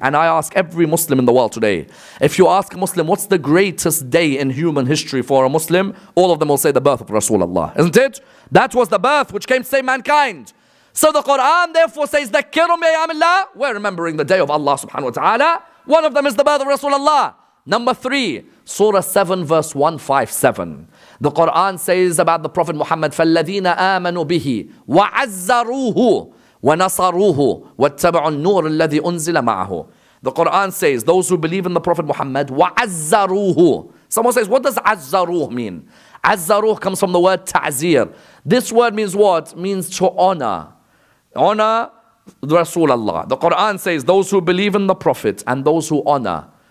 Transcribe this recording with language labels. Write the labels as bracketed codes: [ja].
[en] And I ask every Muslim in the world today, if you ask a Muslim, what's the greatest day in human history for a Muslim? All of them will say the birth of Rasulullah, isn't it? That was the birth which came to save mankind. So the Quran therefore says, "Dhakkirhum bi ayyam Allah." We're remembering the day of Allah subhanahu wa ta'ala. One of them is the birth of Rasulullah. Number three, Surah 7 verse 157. The Quran says about the Prophet Muhammad, [ar] فَالَّذِينَ آمَنُوا بِهِ وَعَزَّرُوهُ وَنَصَرُوهُ وَاتَّبَعُوا النُّورِ الَّذِي أُنزِلَ مَعَهُ. [en] The Quran says, those who believe in the Prophet Muhammad, وَعَزَّرُوهُ. Someone says, what does عَزَّرُوهُ mean? عَزَّرُوهُ comes from the word ta'zir. This word means what? Means to honor. Honor Rasulullah. The Quran says, those who believe in the Prophet and those who honor.